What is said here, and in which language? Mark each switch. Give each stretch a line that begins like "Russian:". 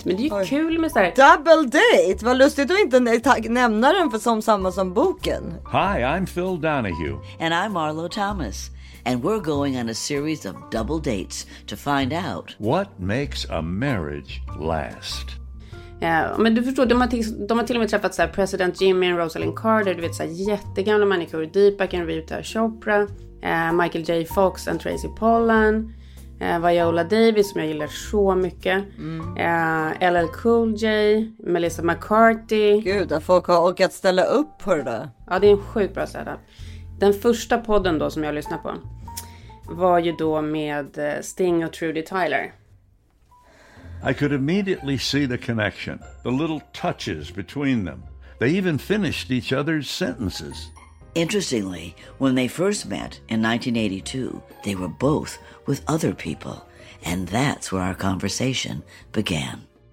Swedish: Men det är ju kul med så här...
English: Double Date?
Swedish: Vad lustigt att inte nämna den för som samma som boken.
English: Hi, I'm Phil Donahue. And I'm Marlo Thomas. And we're going on a series of double dates to find out... What makes a marriage last?
Swedish: Ja, men du förstår, de har till och med träffat så här president Jimmy och Rosalind Carter, du vet, så jättegamla människor, Deepak and Rita Chopra, Michael J. Fox and Tracy Pollan, Viola Davis som jag gillar så mycket, LL Cool J, Melissa McCarthy. Gud, att folk har orkat ställa upp på det där. Ja, det är en sjukt bra setup. Den första podden då som jag lyssnade på var ju då med Sting och Trudy Tyler.
English: I could immediately see the connection, the little touches between them. They even finished each other's sentences. Interestingly, when they first met in 1982, they were both with other people. And that's where our conversation began.